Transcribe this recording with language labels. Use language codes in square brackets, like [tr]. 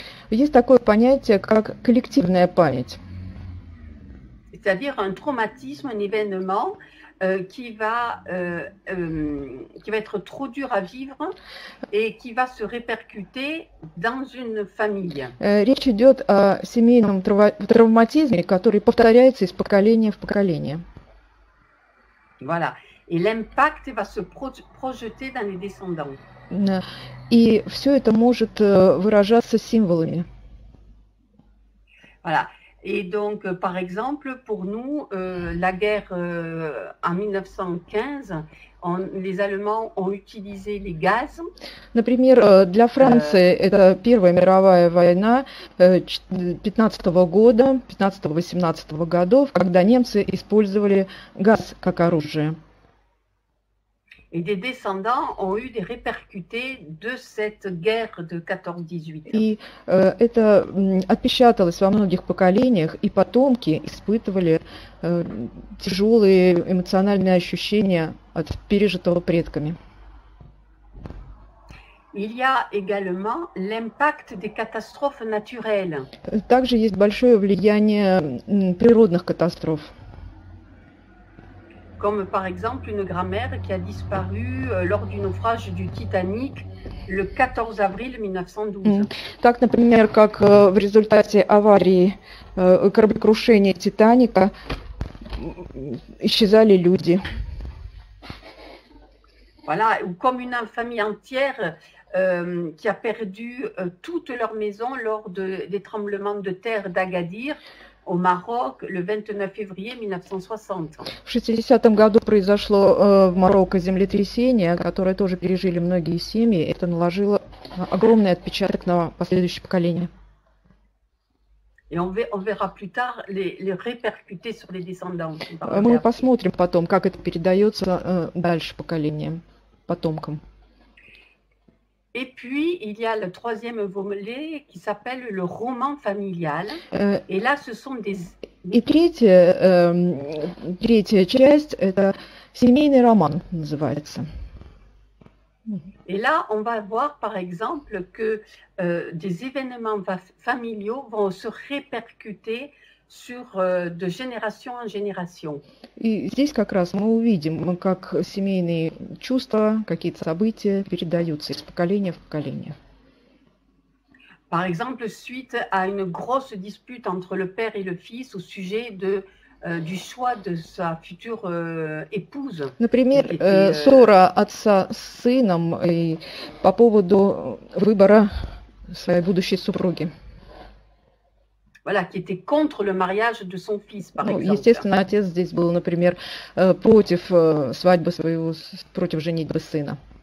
[ru] Есть такое понятие, как коллективная память. [fr] C'est-à-dire un traumatisme, un événement qui va être trop dur à vivre et qui va se répercuter dans une famille. [ru] Речь идет о семейном травматизме, который повторяется из поколения в поколение. [fr] Voilà. Et l'impact va se projeter dans les descendants. [ru] И все это может выражаться символами. [fr] Voilà. Et donc, par exemple, pour nous, la guerre en 1915, les Allemands ont utilisé les gaz. [ru] Например, для Франции это Первая мировая война 15-го года, 15-18-го годов, когда немцы использовали газ как оружие. [fr] Et des descendants ont eu des répercutés de cette guerre de 14-18. [ru] И это отпечаталось во многих поколениях, и потомки испытывали тяжелые эмоциональные ощущения от пережитого предками. [fr] Il y a également l'impact des catastrophes naturelles. [ru] Также есть большое влияние природных катастроф. [fr] Comme par exemple une grand-mère qui a disparu lors du naufrage du Titanic le 14 avril 1912. [ru] Так, например, как в результате аварии, кораблекрушения Титаника исчезали люди. [fr] Voilà, ou comme une famille entière qui a perdu toute leur maison lors des tremblements de terre d'Agadir au Maroc le 29 février 1960. [ru] В 60-м году произошло в Марокко землетрясение, которое тоже пережили многие семьи. Это наложило огромный отпечаток на последующее поколение. [fr] Et on verra plus tard les répercuter sur les descendants, on va regarder après. [ru] посмотрим потом, как это передается дальше поколениям, потомкам. [fr] Et puis, il y a le troisième volet qui s'appelle le roman familial. Et là, ce sont des... [ru] И третья часть, это семейный роман называется. [fr] Et là, on va voir, par exemple, que des événements familiaux vont se répercuter de génération en génération. [ru] И здесь как раз мы увидим, как семейные чувства, какие-то события передаются из поколения в поколение. [fr] Par exemple, suite à une grosse dispute entre le père et le fils au sujet du choix de sa future épouse, qui [ru] Например, [fr] était... [ru] ссора отца с сыном и по поводу выбора своей будущей супруги. [fr] Voilà, qui était contre le mariage de son fils, par [ru] Ну, [fr] exemple. [ru] естественно, отец здесь был, например, против свадьбы своего, против женитьбы сына.